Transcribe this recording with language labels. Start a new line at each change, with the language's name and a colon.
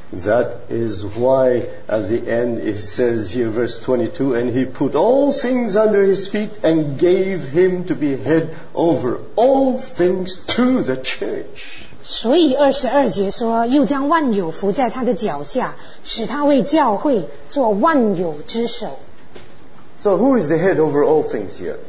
English: That is why at the end it says here verse 22, and he put all things under his feet and gave him to be head over all things to the church.
Chinese: 所以二十二节说又将万有伏在他的脚下使他为教会做万有之首。
English: So who is the head over all things here?